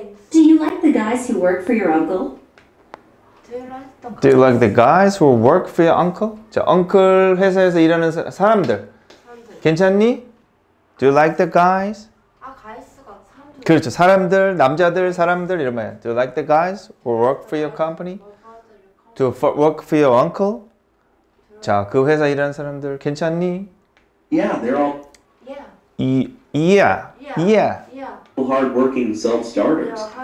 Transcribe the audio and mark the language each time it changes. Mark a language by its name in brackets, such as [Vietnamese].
[English] Do you like the guys who work for your uncle? Do you like the guys who work for your uncle? [Korean] 자, 언클 회사에서 일하는 사람들. 괜찮니? [English] Do you like the guys? [Korean] 아, 가이스가 사람들. 그렇죠. 사람들, 남자들, 사람들 이런 말이야. [English] Do you like the guys who work for your company? To work for your uncle? [Korean] 자, 그 회사 일하는 사람들 괜찮니? [English] Yeah, they're all Yeah. Hardworking self-starters.